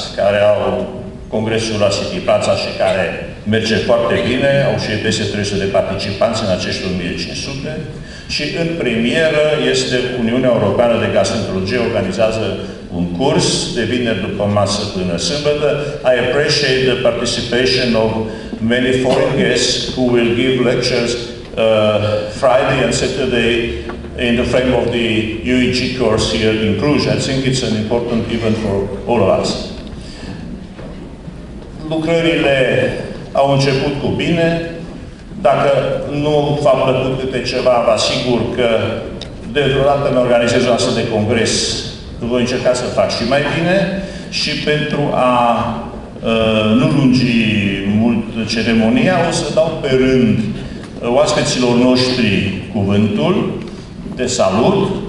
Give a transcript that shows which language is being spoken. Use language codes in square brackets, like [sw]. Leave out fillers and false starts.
[ro] care au congresul la City Plaza și care merge foarte bine, au și peste 300 de participanți în acești 1500, și în premieră este Uniunea Europeană de Gastroenterologie, organizează un curs de vineri după masă până sâmbătă. [en] I appreciate the participation of many foreign guests who will give lectures Friday and Saturday in the frame of the UEG course here in Cluj. I think it's an important event for all of us. [ro] Lucrările au început cu bine. Dacă nu v-a plăcut câte ceva, vă asigur că de vreodată ne organizez o astfel de congres, voi încerca să fac și mai bine. Și pentru a nu lungi mult ceremonia, o să dau pe rând oaspeților noștri cuvântul de salut.